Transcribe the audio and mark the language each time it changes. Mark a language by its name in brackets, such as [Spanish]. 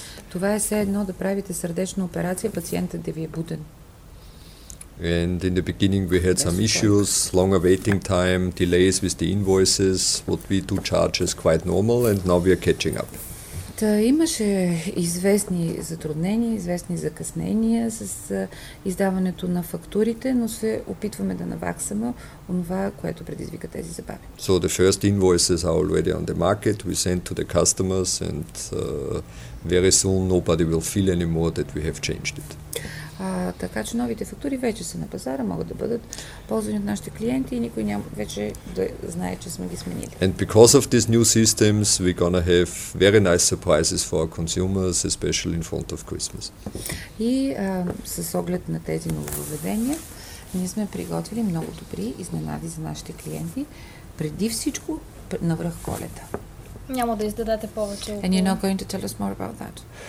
[Bulgarian] Това е все едно да правите сърдечна операция, пациентът да ви е буден. [English] And in the beginning we had some issues, longer waiting time, delays with the invoices, what we do charge is quite normal and now we are catching up. [Bulgarian] Та имаше известни затруднения, известни закъснения с издаването на фактурите, но се опитваме да наваксаме онова, което предизвика тези забави. [English] So the first invoices are already on the market, we send to the customers and very soon nobody will feel anymore that we have changed it. [Bulgarian] Така че новите фактури вече са на пазара, могат да бъдат ползвани от нашите клиенти и никой няма вече да знае, че сме ги сменили. [English] And because of these new systems, we're gonna have very nice surprises for our consumers, especially in front of Christmas. [Bulgarian] И с оглед на тези нововведения, ние сме приготвили много добри изненади за нашите клиенти, преди всичко навръх Коледа. Няма да издадете повече. [English] And you're not going to tell us more about that?